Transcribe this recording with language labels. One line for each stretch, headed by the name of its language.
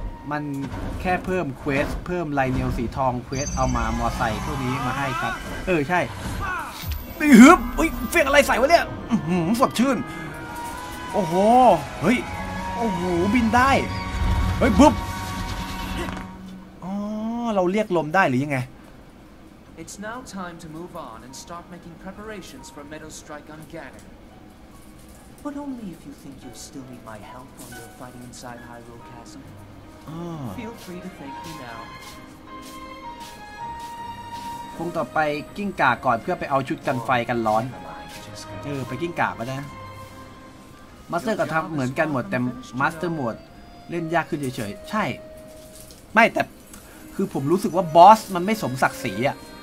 Thai: มันแค่เพิ่มเควสเพิ่มไลเนียลสีทองเควสเอามามอไซค์พวกนี้มาให้ครับเออใช่ปีฮึบอุ้ยเฟี้ยงอะไรใส่วะเนี่ยสดชื่นโอ้โหเฮ้ยโอ้โหบินได้เฮ้ยบึ๊บเราเรียกลมได้หรือยังไง
English: It's now time to move on and start making preparations for Meadow Strike on Ganon. But only if you think you'll still need my help while you're fighting inside Hyrule Castle. Feel free to thank me now.
Thai: คงต่อไปกิ้งก่าก่อนเพื่อไปเอาชุดกันไฟกันร้อนเออไปกิ้งก่าก็ได้มาสเตอร์กับทัพเหมือนกันหมดแต่มาสเตอร์โหมดเล่นยากขึ้นเฉยๆใช่ไม่แต่คือผมรู้สึกว่าบอสมันไม่สมศักดิ์ศรีอ่ะ